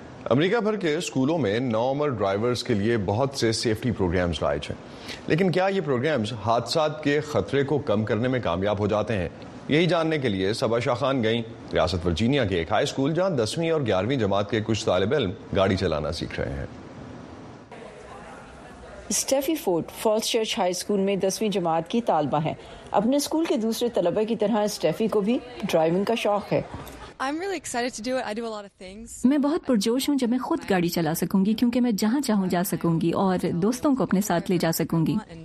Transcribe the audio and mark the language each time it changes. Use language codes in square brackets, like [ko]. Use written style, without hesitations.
[ur] امریکہ بھر کے اسکولوں میں نو عمر ڈرائیورز کے لیے بہت سے سیفٹی پروگرامز رائج ہیں, لیکن کیا یہ پروگرامز حادثات کے خطرے کو کم کرنے میں کامیاب ہو جاتے ہیں؟ یہی جاننے کے لیے صبا شاہ خان گئیں ریاست ورجینیا کے ایک ہائی اسکول جہاں 10ویں اور 11ویں جماعت کے کچھ طالب علم گاڑی چلانا سیکھ رہے ہیں. سٹیفی Ford false church high school میں 10ویں جماعت کی طالبہ ہے. اپنے اسکول کے دوسرے طلبہ کی طرح سٹیفی کو بھی ڈرائیونگ کا شوق ہے. [en] I'm really excited to do it. I do a lot of things. [ur] میں بہت پرجوش ہوں جب میں خود گاڑی چلا سکوں گی, کیونکہ میں جہاں چاہوں جا سکوں گی اور دوستوں کو اپنے ساتھ لے جا سکوں گی.